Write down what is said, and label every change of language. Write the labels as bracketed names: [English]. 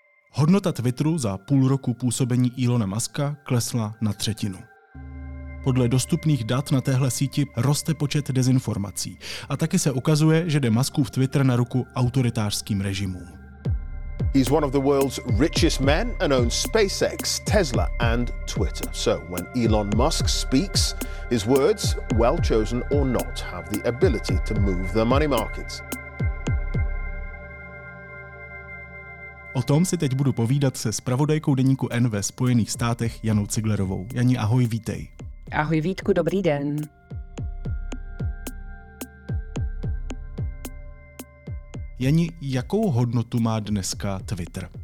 [Czech] Hodnota Twitteru za půl roku působení Elona Muska klesla na třetinu. Podle dostupných dat na téhle síti roste počet dezinformací a taky se ukazuje, že jde Muskův Twitter na ruku autoritářským režimům. [English] He's one of the world's richest men and owns SpaceX, Tesla and Twitter. So when Elon Musk speaks, his words, well chosen or not, have the ability to move the money markets. [Czech] O tom si teď budu povídat se zpravodajkou deníku N ve Spojených státech Janou Ciglerovou. Jani, ahoj, vítej. Ahoj Vítku, dobrý den. Jani, jakou hodnotu má dneska Twitter?